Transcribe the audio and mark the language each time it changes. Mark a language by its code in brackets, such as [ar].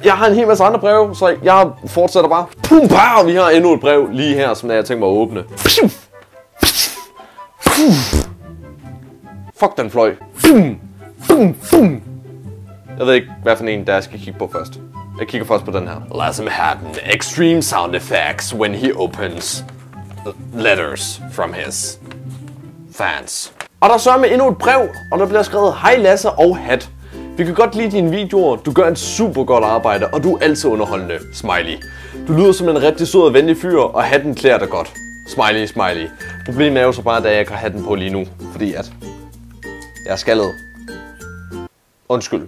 [da] Jeg har en hel masse andre breve, så jeg fortsætter bare. Pum, pow, vi har endnu et brev lige her, som jeg har tænkt mig at åbne. Fuck, den fløj. Boom, boom, boom. Jeg ved ikke, hvad for en der skal kigge på først. Jeg kigger først på den her. Lasse med hatten. [en] Extreme sound effects when he opens letters from his fans. [da] Og der sørger med endnu et brev, og der bliver skrevet, hej Lasse og hat. Vi kan godt lide dine videoer, du gør en super godt arbejde, og du er altid underholdende. Smiley. Du lyder som en rigtig sød og venlig fyr, og hatten klæder dig godt. Smiley, smiley. Problemet er jo så bare, at jeg ikke har hatten på lige nu, fordi at jeg er skaldet. Undskyld.